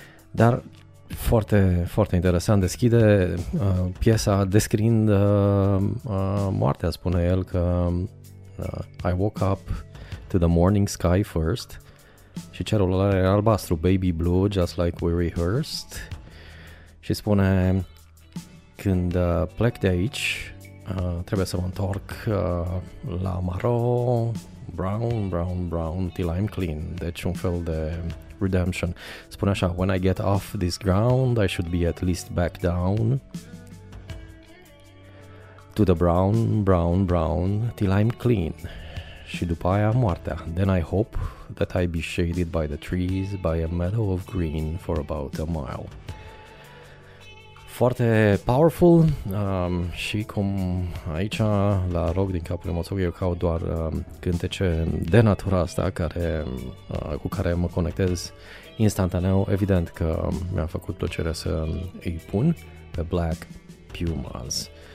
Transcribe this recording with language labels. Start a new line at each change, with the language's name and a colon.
Romanian: Dar foarte, foarte interesant, deschide piesa descrind moartea, spune el că
English: I woke up to the morning sky first
Romanian: și cerul ăla era albastru,
English: baby blue, just like we rehearsed,
Romanian: și spune când plec de aici trebuie să mă întorc la maro,
English: brown, brown, brown, till I'm clean,
Romanian: deci un fel de redemption. Spune așa,
English: when I get off this ground, I should be at least back down to the brown, brown, brown, till I'm clean.
Romanian: Și după aia moartea.
English: Then I hope that I be shaded by the trees, by a meadow of green for about a mile.
Romanian: Foarte powerful și cum aici la rock din capul emoțului eu caut doar cântece de natura asta care, cu care mă conectez instantaneu, evident că mi-a făcut plăcere să îi pun pe Black Pumas.